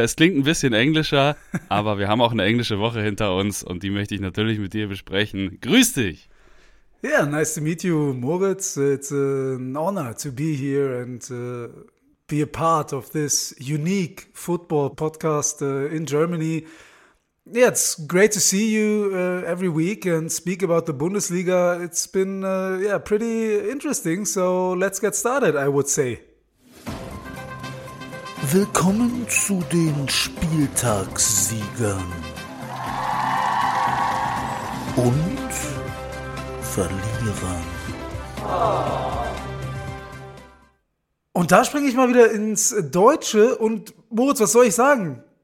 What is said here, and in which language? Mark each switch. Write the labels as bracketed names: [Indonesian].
[German] Es klingt ein bisschen englischer, aber wir haben auch eine englische Woche hinter uns und die möchte ich natürlich mit dir besprechen. Grüß dich! [English] Yeah, nice to meet you, Moritz. It's an honor to be here and be a part of this unique football podcast in Germany. Yeah, it's great to see you every week and speak about the Bundesliga. It's been pretty interesting, so let's get started, I would say. [German] Willkommen zu den Spieltagssiegern und Verlierern. Und da springe ich mal wieder ins Deutsche und Moritz, was soll ich sagen?